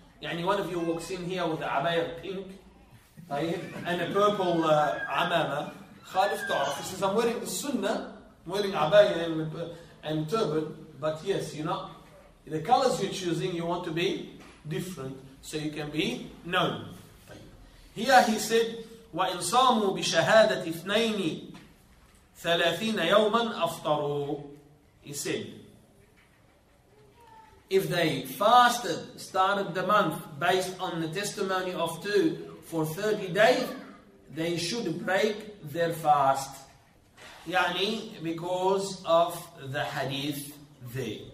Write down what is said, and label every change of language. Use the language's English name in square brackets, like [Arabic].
[English] Yani one of you walks in here with a abaya pink and a purple amama, [Arabic] Khalif Ta'raf. [English] He says, I'm wearing the sunnah, I'm wearing abaya and turban, but yes, you know, the colors you're choosing, you want to be different so you can be known. Here he said, [Arabic] وَإِنْصَامُوا بِشَهَادَةِ اثْنَيْنِ ثَلَاثِينَ يَوْمًا أَفْطَرُوا. [English] He said, if they fasted, started the month based on the testimony of two for 30 days, they should break their fast. Yani, because of the hadith there.